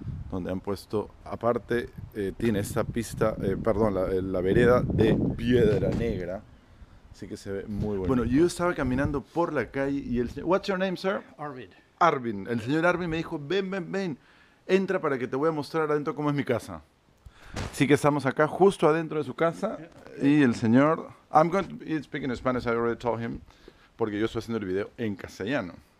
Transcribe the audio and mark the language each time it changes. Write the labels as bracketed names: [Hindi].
[Spanish] Donde han puesto, aparte, tiene esta pista, la vereda de piedra negra. Así que se ve muy bonito. Bueno, yo estaba caminando por la calle y el señor... [English] What's your name, sir? Arvid. [Spanish] Arvin. El señor Arvin me dijo, ven. Entra para que te voy a mostrar adentro cómo es mi casa. Así que estamos acá justo adentro de su casa. Y el señor... [English] I'm going to speak in Spanish, I already told him. [Spanish] Porque yo estoy haciendo el video en castellano.